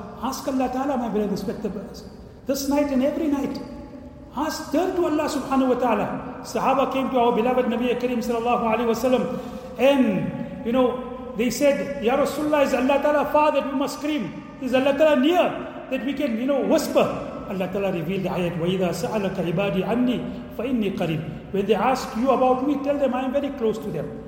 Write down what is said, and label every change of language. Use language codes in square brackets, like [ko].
[en] Ask Allah ta'ala, my beloved respected brothers. This night and every night. Ask, turn to Allah subhanahu wa ta'ala. Sahaba came to our beloved Nabi Karim sallallahu alayhi wa sallam. And, you know, they said, Ya Rasulullah, is Allah ta'ala far that we must scream? Is Allah ta'ala near that we can, you know, whisper? Allah ta'ala revealed the ayat, [ar] وَإِذَا سَأَلَكَ عِبَادِي عَنِّي فَإِنِّي قَرِيبٌ. [en] When they ask you about me, tell them I am very close to them.